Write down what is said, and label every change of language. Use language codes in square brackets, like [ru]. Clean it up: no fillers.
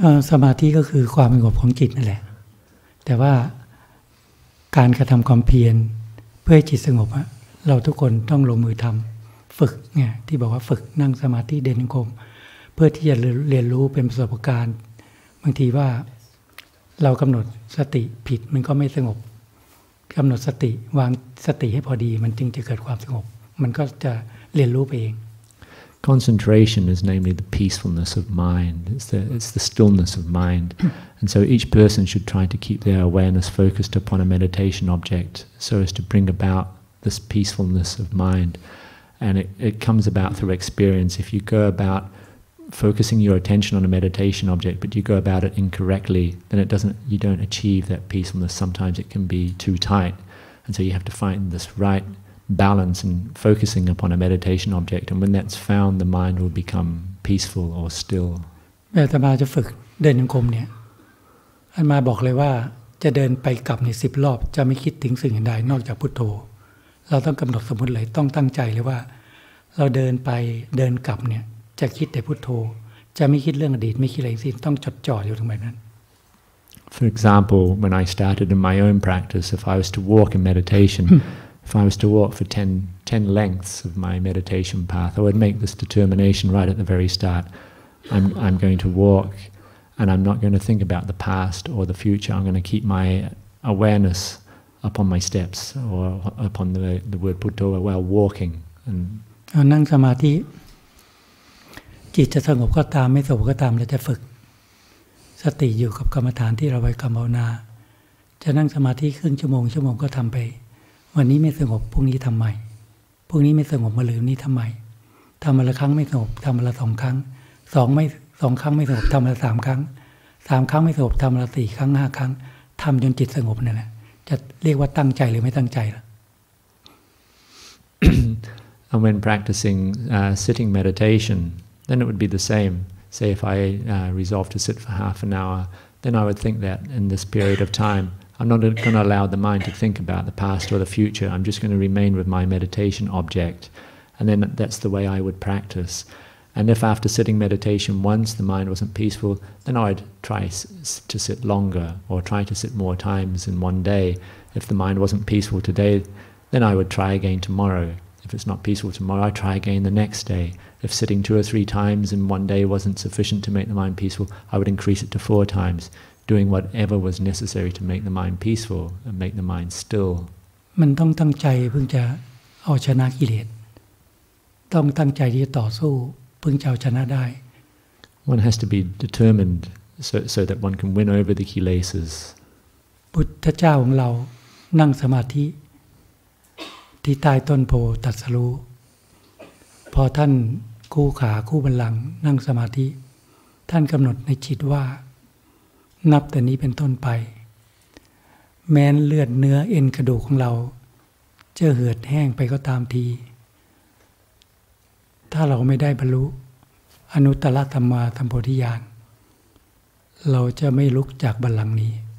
[th] สมาธิก็คือความสงบของจิตนั่นแหละแต่ว่าการกระทำความเพียรเพื่อให้จิตสงบเราทุกคนต้องลงมือทำฝึกไงที่บอกว่าฝึกนั่งสมาธิเดินจงกรมเพื่อที่จะเรียนรู้เป็นประสบการณ์บางทีว่าเรากำหนดสติผิดมันก็ไม่สงบกำหนดสติวางสติให้พอดีมันจึงจะเกิดความสงบมันก็จะเรียนรู้ไปเอง [en] Concentration is namely the peacefulness of mind. It's the stillness of mind. And so each person should try to keep their awareness focused upon a meditation object so as to bring about this peacefulness of mind. And it comes about through experience. If you go about focusing your attention on a meditation object, but you go about it incorrectly, then you don't achieve that peacefulness. Sometimes it can be too tight. And so you have to find this right balance and focusing upon a meditation object and when that's found the mind will become peaceful or still เวลาจะฝึกเดินจงกรมเนี่ยอาตมาบอกเลยว่าจะเดินไปกลับใน10รอบจะไม่คิดถึงสิ่งใดนอกจากพุทโธเราต้องกําหนดสมมุติเลยต้องตั้งใจเลยว่าเราเดินไปเดินกลับเนี่ยจะคิดแต่พุทโธจะไม่คิดเรื่องอดีตไม่คิดอะไรสิต้องจดจ่ออยู่ตรงนั้น For example when I started in my own practice if I was to walk in meditation If I was to walk for 10 lengths of my meditation path, I would make this determination right at the very start. I'm going to walk and I'm not going to think about the past or the future. I'm going to keep my awareness upon my steps or upon the word putto while walking. And [th] นั่งสมาธิจิตจะสงบก็ตามไม่สงบก็ตามเราจะฝึกสติอยู่กับกรรมฐานที่เราไปกรรมภาวนาจะนั่งสมาธิครึ่งชั่วโมงก็ทำไปวันนี้ไม่สงบพรุ่งนี้ทำใหม่พรุ่งนี้ไม่สงบมะรืนนี้ทำใหม่ทำมาละครั้งไม่สงบทำมาละสองครั้งสองครั้งไม่สงบทำมาละสามครั้งไม่สงบทำมาละ4 ครั้ง5 ครั้งทำจนจิตสงบนั่นแหละจะเรียกว่าตั้งใจหรือไม่ตั้งใจล่ะ [en] And when practicing sitting meditation then it would be the same say if I resolve to sit for half an hour then I would think that in this period of timeI'm not going to allow the mind to think about the past or the future. I'm just going to remain with my meditation object. And then that's the way I would practice. And if after sitting meditation once the mind wasn't peaceful, then I'd try to sit longer or try to sit more times in one day. If the mind wasn't peaceful today, then I would try again tomorrow. If it's not peaceful tomorrow, I'd try again the next day. If sitting 2 or 3 times in one day wasn't sufficient to make the mind peaceful, I would increase it to 4 times. Doing whatever was necessary to make the mind peaceful and make the mind still. [th] มันต้องตั้งใจเพื่อจะเอาชนะกิเลสต้องตั้งใจที่จะต่อสู้เพื่อจะเอาชนะได้ [en] One has to be determined so that one can win over the kilesas. [th] Buddha เจ้าของเรานั่งสมาธิที่ใต้ต้นโพธิ์ตรัสรู้พอท่านคู่ขาคู่บัลลังก์นั่งสมาธิท่านกำหนดในจิตว่านับแต่นี้เป็นต้นไปแม้นเลือดเนื้อเอ็นกระดูกของเราจะเหือดแห้งไปก็ตามทีถ้าเราไม่ได้บรรลุอนุตตรธรรมาธรรมโพธิญาณเราจะไม่ลุกจากบัลลังก์นี